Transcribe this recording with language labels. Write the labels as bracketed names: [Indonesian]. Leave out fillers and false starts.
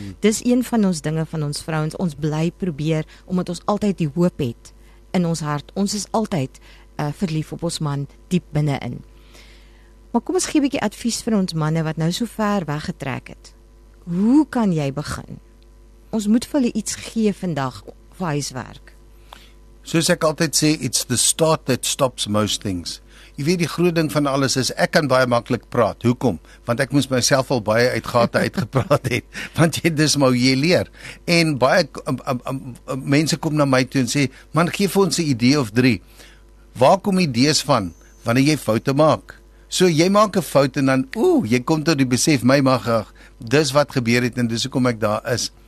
[Afrikaans] Dis een van ons dinge van ons vrouens, ons bly probeer omdat ons altyd die hoop het in ons hart. Ons is altyd verlief op ons man diep binne-in. Maar kom ons gee 'n bietjie advies vir ons manne wat nou so ver weggetrek het. Hoe kan jy begin? Ons moet vir hulle iets gee vandag, huiswerk. Soos ek altyd sê, [English] it's the start that stops most things. [Afrikaans] Jy weet, die groot ding van alles is, ek kan baie maklik praat. Hoekom? Want ek moes myself al baie uit gate uitgepraat het. Want jy, dis maar hoe jy leer. En baie mense kom na my toe en sê, man, geef ons 'n idee of drie. Waar kom idees van? Wanneer jy foute maak. So jy maak 'n fout en dan, jy kom tot die besef, my mag, dis wat gebeur het en dis hoekom ek daar is.